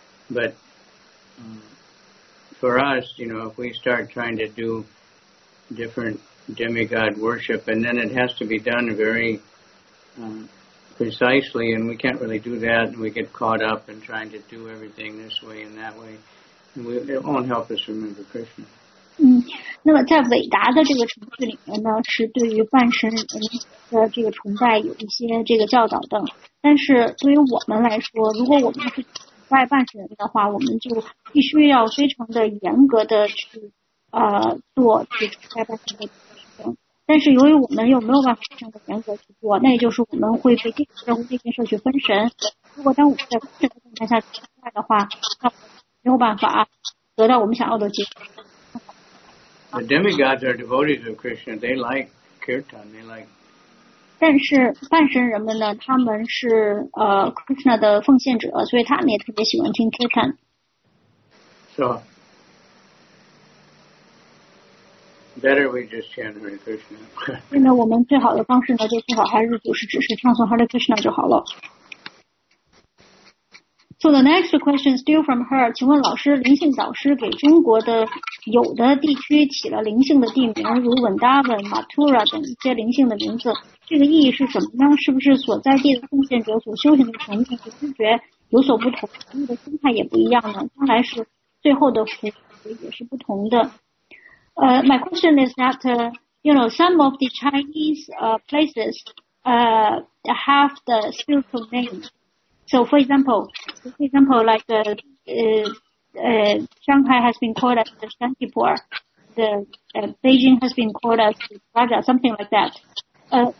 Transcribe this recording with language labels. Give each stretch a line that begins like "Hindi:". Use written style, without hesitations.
English: But for us, you know, if we start trying to do different demigod worship, and then it has to be done very precisely, and we can't really do that, and we get caught up in trying to do everything this way and that way, and it won't help us remember Krishna.
Chinese: 那么在伟达的这个程序里面呢，是对于半神人的这个崇拜有一些这个教导的。但是对于我们来说，如果我们是崇拜半神人的话，我们就必须要非常的严格的去做去崇拜半神人的事情。但是由于我们又没有办法非常的严格去做，那也就是我们会被这个任务这件事去分神。如果当我们在半神人的状态下崇拜的话，那我们没有办法得到我们想要的结果。
English: The demigods are devotees of Krishna. They like kirtan. They like.
Chinese: 但是半神人们呢，他们是Krishna 的奉献者，所以他们也特别喜欢听 kirtan.
English: So better we just chant Hare Krishna.
Chinese: 现在我们最好的方式呢，就最好还是就是只是唱诵 Hare Krishna 就好了。
English: So the next question is still from her.
Chinese: 请问老师，灵性导师给中国的有的地区起了灵性的地名，如文达文、马图拉等一些灵性的名字，这个意义是什么呢？是不是所在地的奉献者所修行的层面和知觉有所不同，他们的心态也不一样呢？将来是最后的福也是不同的。
English: My question is that you know some of the Chinese places have the spiritual names. So, for example, like Shanghai has been called as the Shantipur, Beijing has been called as Raja, something like that.